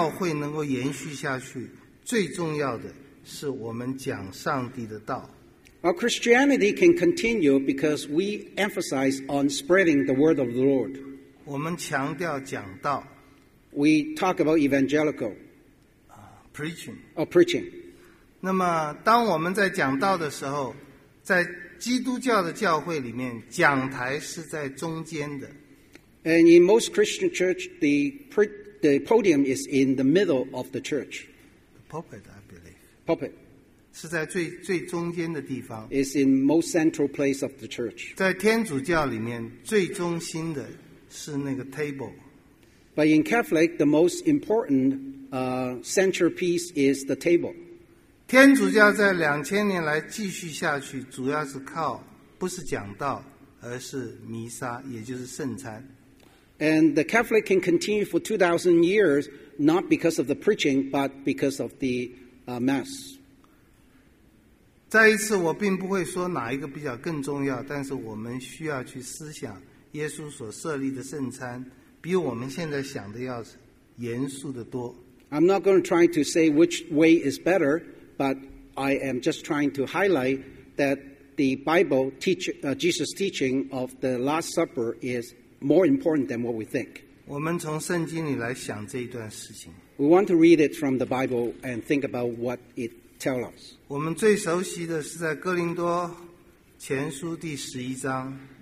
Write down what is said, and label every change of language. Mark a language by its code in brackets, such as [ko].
[zh] 我们觉得教会能够延续下去, 最重要的是我们讲上帝的道。 [en] Our Christianity can continue because we emphasize on spreading the word of the Lord. [zh] 我们强调讲道, [en] we talk about evangelical. Preaching. [zh] 那么当我们在讲道的时候, 在基督教的教会里面, 讲台是在中间的。 [en] And in most Christian church, the podium is in the middle of the church. The pulpit, I believe. Pulpit. [zh] 是在最中间的地方。 [en] It's in most central place of the church. [zh] 在天主教里面, 最中心的是那个table。 [en] But in Catholic, the most important centerpiece is the table. [zh] 天主教在2000年来继续下去, 主要是靠, 不是讲道, 而是弥撒, 也就是圣餐。 [en] And the Catholic can continue for 2,000 years, not because of the preaching, but because of the Mass. [zh] 再一次我并不会说哪一个比较更重要, 但是我们需要去思想, 耶稣所设立的圣餐, 比我们现在想的要严肃的多。 [en] I'm not going to try to say which way is better, but I am just trying to highlight that the Bible teach Jesus' teaching of the Last Supper is more important than what we think. We want to read it from the Bible and think about what it tells us. [zh] 我们最熟悉的是在哥林多前书第十一章。